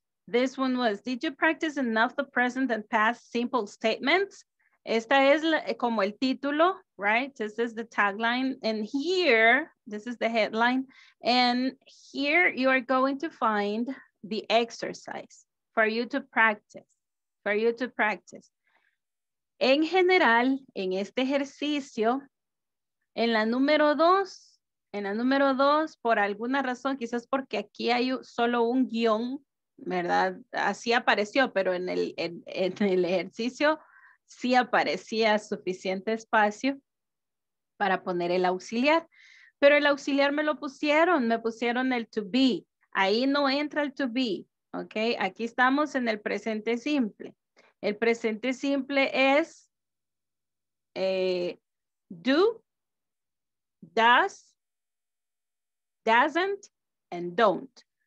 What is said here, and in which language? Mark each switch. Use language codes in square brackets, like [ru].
[en] This one was, did you practice enough the present and past simple statements? [es] Esta es como el título, [en] right? This is the tagline. And here, this is the headline. And here you are going to find the exercise for you to practice, for you to practice. [es] En general, en este ejercicio, en la número dos, por alguna razón, quizás porque aquí hay solo un guión, ¿verdad? Así apareció, pero en el ejercicio, sí aparecía suficiente espacio para poner el auxiliar, pero el auxiliar me pusieron el to be. Ahí no entra el to be, ¿ok? Aquí estamos en el presente simple. El presente simple es do, does, doesn't, and don't.